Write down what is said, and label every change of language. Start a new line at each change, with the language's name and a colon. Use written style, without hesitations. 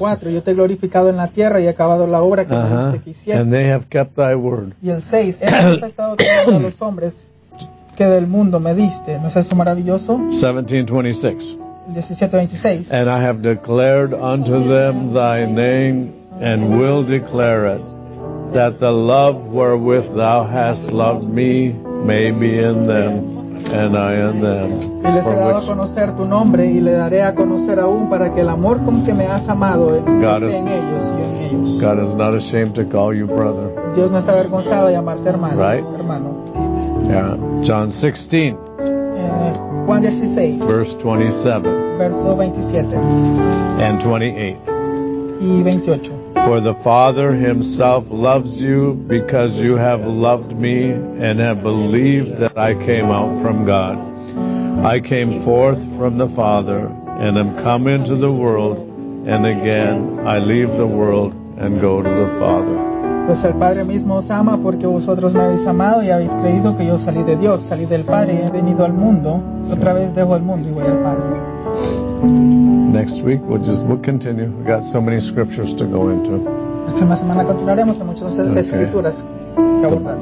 Spanish: Yo te he glorificado en la tierra y he acabado la obra que tú hiciste.
English: And they have kept thy word.
Spanish: Y el 6, he manifestado todo a los hombres que del mundo me diste. ¿No es eso maravilloso? 17:26. 17:26.
English: And I have declared unto them thy name, and will declare it, that the love wherewith thou hast loved me may be in them, and I in them.
Spanish: Y les he dado a conocer tu nombre, y le daré a conocer aún para que el amor con que me has amado esté en ellos y en ellos.
English: God is not ashamed to call you brother.
Spanish: Dios no está avergonzado de llamarte hermano.
English: Right?
Spanish: Hermano.
English: Yeah. John 16.
Spanish: Juan 16,
English: verse 27,
Spanish: verso 27
English: and 28.
Spanish: Y 28.
English: For the Father himself loves you because you have loved me and have believed that I came out from God. I came forth from the Father and am come into the world, and again I leave the world and go to the Father.
Spanish: Pues el Padre mismo os ama porque vosotros me habéis amado y habéis creído que yo salí de Dios, salí del Padre y he venido al mundo. Otra vez dejo el mundo y voy al Padre.
English: Next week we'll continue. We got so many scriptures to go into.
Spanish: Esta semana continuaremos con muchas escrituras que abordar.